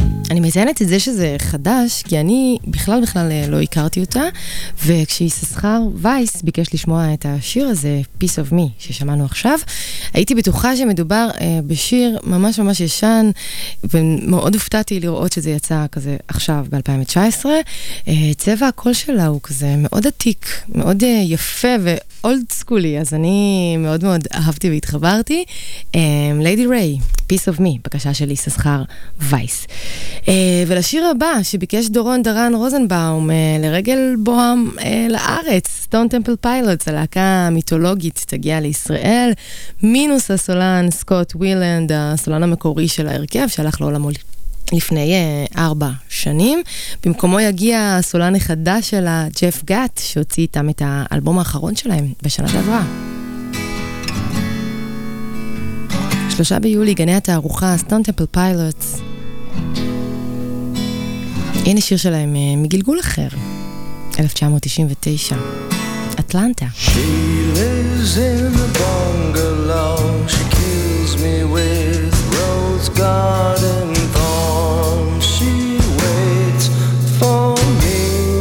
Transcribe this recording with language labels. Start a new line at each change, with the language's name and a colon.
Hebrew: אני מציינת את זה שזה חדש, כי אני בכלל בכלל לא הכרתי אותה, וכשיששכר וייס ביקש לשמוע את השיר הזה, Piece of Me, ששמענו עכשיו, הייתי בטוחה שמדובר בשיר ממש ממש ישן, ומאוד הופתעתי לראות שזה יצא כזה עכשיו, ב-2019. צבע הקול שלה הוא כזה מאוד עתיק, מאוד יפה ואולד סקולי, אז אני מאוד מאוד אהבתי והתחברתי. Lady Ray, Piece of Me, בקשה של יששכר וייס. ולשיר הבא שביקש דורון דרן רוזנבאום לרגל בוהם לארץ, Stone Temple Pilots, הלהקה המיתולוגית תגיע לישראל, מינוס הסולן סקוט ווילנד, הסולן המקורי של ההרכב שהלך לעולמו לפני 4 שנים. במקומו יגיע הסולן החדש של ג'ף גאט, שהוציא איתם את האלבום האחרון שלהם בשנה שעברה. 3 ביולי, גני התערוכה, Stone Temple Pilots. הנה שיר שלהם מגלגול אחר, 1999, אטלנטה.
English: She lives in a bungalow, she kills me with rose garden thorns, she waits for me.